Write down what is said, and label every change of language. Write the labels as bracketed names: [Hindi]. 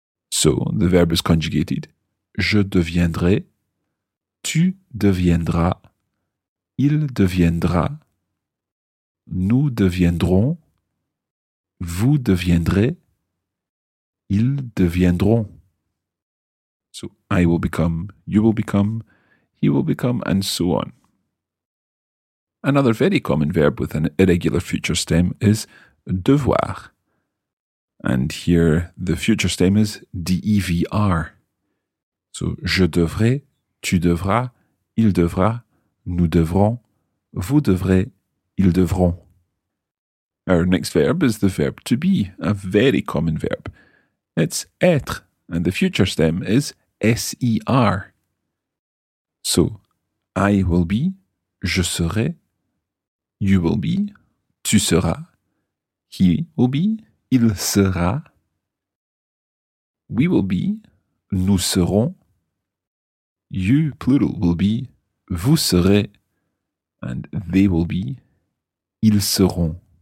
[English] So the verb is conjugated. [French] Je deviendrai, tu deviendras, il deviendra, nous deviendrons, vous deviendrez, ils deviendront. [English] So I will become, you will become, he will become, and so on. Another very common verb with an irregular future stem is devoir. And here the future stem is D-E-V-R. [French] So je devrais, tu devras, il devra, nous devrons, vous devrez, ils devront. [English] Our next verb is the verb to be, a very common verb. It's être, and the future stem is S-E-R. So, I will be, [French] je serai, [English] you will be, [French] tu seras, [English] he will be, [French] il sera, [English] we will be, [French] nous serons, [English] you, plural, will be, [French] vous serez, [English] and they will be, [French] ils seront.